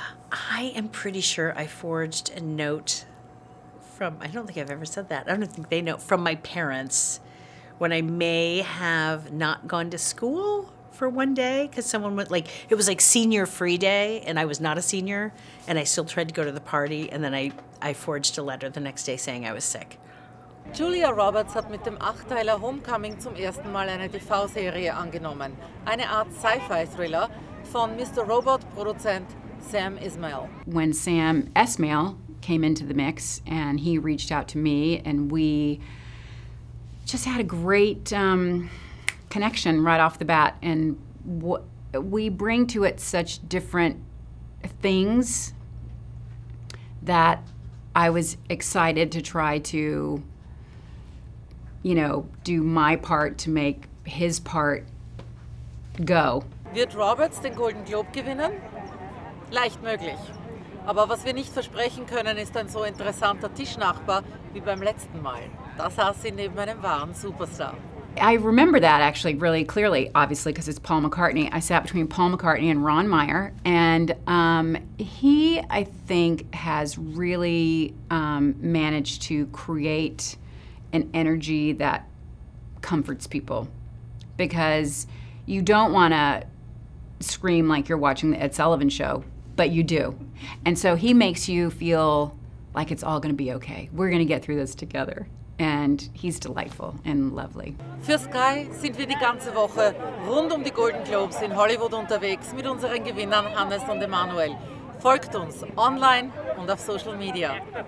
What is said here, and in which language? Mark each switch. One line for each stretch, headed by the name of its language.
English: I am pretty sure I forged a note from, I don't think I've ever said that. I don't think they know, from my parents, when I may have not gone to school for one day, because someone went, like, it was like senior free day, and I was not a senior, and I still tried to go to the party, and then I forged a letter the next day saying I was sick.
German: Julia Roberts hat mit dem Achteiler Homecoming zum ersten Mal eine TV-Serie angenommen, eine Art Sci-Fi-Thriller von Mr. Robot-Produzent Sam Esmail.
English: When Sam Esmail came into the mix and he reached out to me and we just had a great connection right off the bat. And what we bring to it such different things that I was excited to try to you know, do my part to make his part go.
German: Wird Roberts den Golden Globe gewinnen? Leicht möglich. Aber was wir nicht versprechen können, ist ein so interessanter Tischnachbar wie beim letzten Mal. Da saß sie neben einem wahren Superstar.
English: I remember that actually really clearly, obviously, because it's Paul McCartney. I sat between Paul McCartney and Ron Meyer, and he, I think, has really managed to create an energy that comforts people, because you don't want to scream like you're watching the Ed Sullivan Show, but you do. And so he makes you feel like it's all going to be okay. We're going to get through this together. And he's delightful and lovely.
German: Für Sky sind wir die ganze Woche rund um die Golden Globes in Hollywood unterwegs mit unseren Gewinnern Hannes und Emanuel. Folgt uns online und auf Social Media.